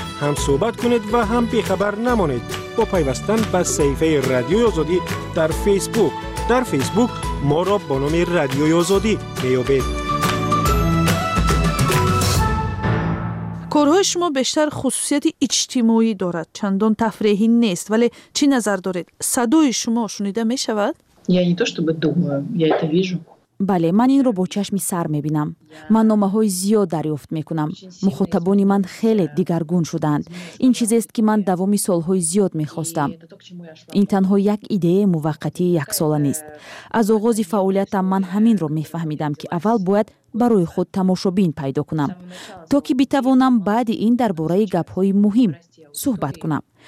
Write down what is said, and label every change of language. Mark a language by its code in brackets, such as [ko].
[fa] هم صحبت کنید و هم بیخبر نمانید با پیوستن به صفحه رادیوی آزادی در فیسبوک. در فیسبوک ما را با نام رادیوی آزادی می‌یابید. کارهای شما بیشتر خصوصیت اجتماعی دارد، چندان تفریحی نیست، ولی چی نظر دارید؟ صدای شما شنیده می‌شود؟ [ru] یا не то чтобы думаю, я это вижу. [fa] بله، من این رو با چشمی سر میبینم. من نامه های زیاد دریافت میکنم. مخاطبانی من خیلی دیگرگون شدند. این چیزی است که من دوامی سالهای زیاد میخواستم. این تنها یک ایده موقتی یک ساله نیست. از آغاز فعالیتم من همین رو میفهمیدم که اول باید برای خود تماشابین پیدا کنم تا که بتوانم بعد این درباره گپ های مهم صحبت کنم.